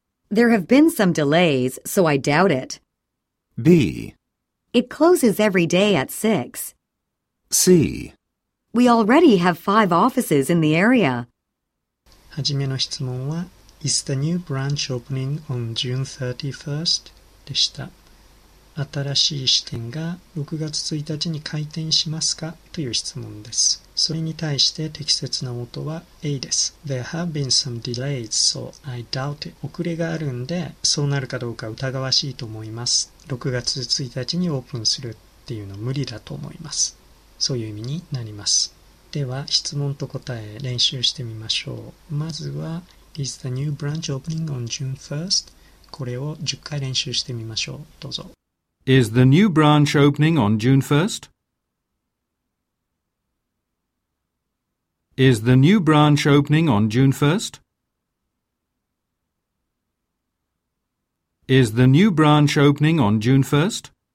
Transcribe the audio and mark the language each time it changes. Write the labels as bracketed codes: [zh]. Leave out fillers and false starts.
[en] There have been some delays, so I doubt it. B. It closes every day at 6. C. We already have 5 offices in the area. [ja] はじめの質問は、 [en] Is the new branch opening on June 31st? [ja] でした。新しい支店が6月1日に開店しますかという質問です。それに対して適切な音は A です。 [en] There have been some delays, so I doubt it. [ja] 遅れがあるんで、そうなるかどうか疑わしいと思います。 6月1日にオープンするっていうの無理だと思います。そういう意味になります。では質問と答え練習してみましょう。まずは、 [en] Is the new branch opening on June 1st? [ja] これを10回練習してみましょう。どうぞ。 [en] Is the new branch opening on June 1st? Is the new branch opening on June 1st? Is the new branch opening on June 1st?